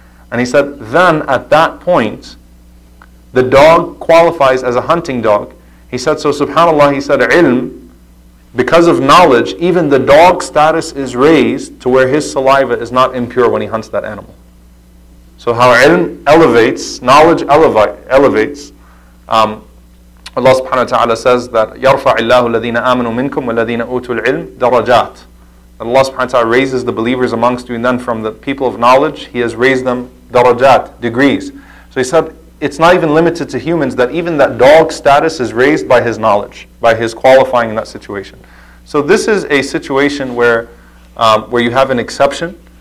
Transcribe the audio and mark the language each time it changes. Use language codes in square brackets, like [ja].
[en] And he said, then at that point, the dog qualifies as a hunting dog. He said, so subhanAllah, he said, ilm, because of knowledge, even the dog status is raised to where his saliva is not impure when he hunts that animal. So how ilm elevates, knowledge elevates. Allah subhanahu wa ta'ala says that [ar] يَرْفَعِ اللَّهُ الَّذِينَ آمَنُوا مِنْكُمْ وَالَّذِينَ أُوتُوا الْعِلْمِ دَرَجَاتٍ. [en] That Allah subhanahu wa ta'ala raises the believers amongst you, and then from the people of knowledge, He has raised them درجات, degrees. So He said, it's not even limited to humans, that even that dog status is raised by his knowledge, by his qualifying in that situation. So this is a situation where you have an exception.